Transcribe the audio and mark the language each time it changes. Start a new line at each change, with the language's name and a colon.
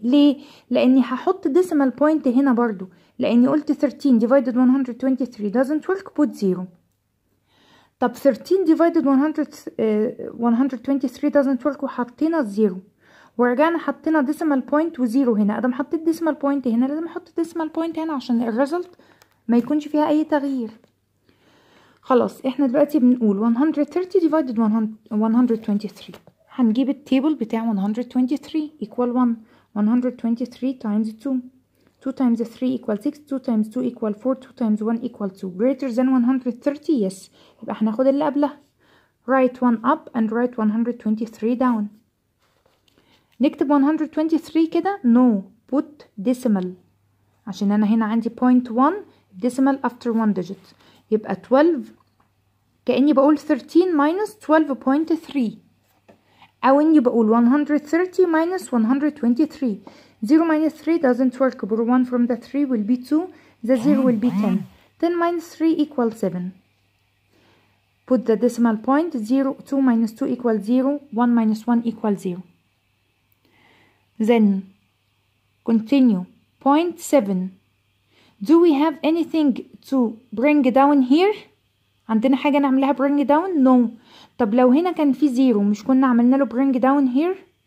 Arabic: ليه؟ لاني هحط ديسيمال بوينت هنا برضو، لاني قلت 13 ديفايدد 123
English: doesn't work put zero.
Arabic: طب 13 ديفايدد 123
English: doesn't work
Arabic: وحطينا الزيرو، ورجعنا حطينا ديسيمال بوينت وزيرو هنا، ادم حطيت ديسيمال بوينت هنا لازم احط ديسيمال بوينت هنا عشان الريزلت ما يكونش فيها اي تغيير. خلاص احنا دلوقتي بنقول 130 ديفايدد 123، هنجيب التيبل بتاع 123 equal 1، 123 times 2، 2 times 3 equal 6، 2 times 2 equal 4، 2 times 1 equal 2،
English: greater than 130 yes،
Arabic: يبقى هناخد اللي قبلها،
English: write 1 up and write 123 down.
Arabic: نكتب 123 كده؟ no، put decimal عشان انا هنا عندي 0.1 decimal after 1 digit، يبقى 12 كأني بقول 13 minus 12.3، او اني بقول 130 minus 123.
English: 0 minus 3 doesn't work. 1 from the 3 will be 2. The 0 will be 10. 10 minus 3 equals 7. Put the decimal point. 0, 2 minus 2 equals 0. 1 minus 1 equals 0. Then continue. 0.7. Do we have anything to bring down here?
Arabic: عندنا حاجة نعملها bring down?
English: No.
Arabic: طب لو هنا كان في 0 مش كنا عملنا له
English: bring down here?